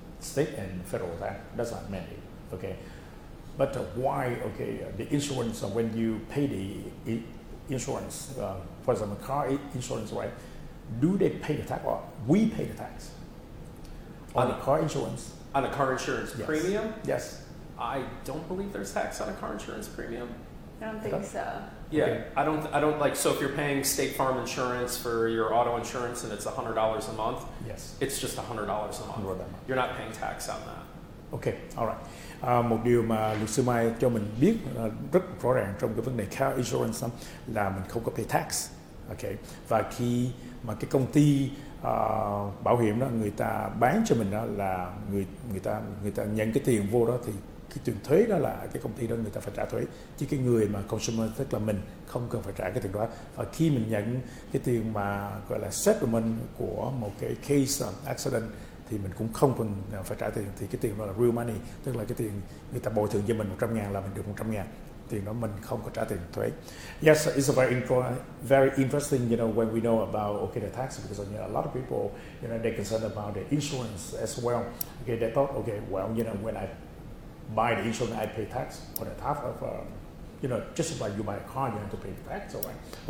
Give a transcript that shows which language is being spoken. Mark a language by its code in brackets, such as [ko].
[en] State and federal tax, that's a mandate, okay. But why, okay, the insurance, when you pay the insurance, for example, car insurance, right, do they pay the tax, or we pay the tax on the car insurance? On a car insurance premium? Yes. I don't believe there's tax on a car insurance premium. I don't think so. Yeah, okay. I don't like, so if you're paying State Farm insurance for your auto insurance and it's $100 a month, yes, it's just $100 a month. You're not paying tax on that. Okay, all right. [vi] Một điều mà luật sư Mai cho mình biết rất rõ ràng trong cái vấn đề car insurance là mình không có [en] pay tax. [vi] Okay, và khi mà cái công ty bảo hiểm đó người ta bán cho mình đó là người ta nhận cái tiền vô đó thì cái tiền thuế đó là cái công ty đó người ta phải trả thuế, chứ cái người mà consumer tức là mình không cần phải trả cái tiền đó. Và khi mình nhận cái tiền mà gọi là settlement của một cái case accident thì mình cũng không cần phải trả tiền, thì cái tiền đó là [en] real money, [vi] tức là cái tiền người ta bồi thường cho mình 100,000 là mình được 100,000, tiền đó mình không có trả tiền thuế. [en] Yes, it's a very interesting, you know, when we know about the tax, because a lot of people, you know, they're concerned about the insurance as well. Okay, they thought, okay, well, you know, when I buy the insurance, I pay tax on the top of, you know, just like you buy a car, you have to pay the tax, all right?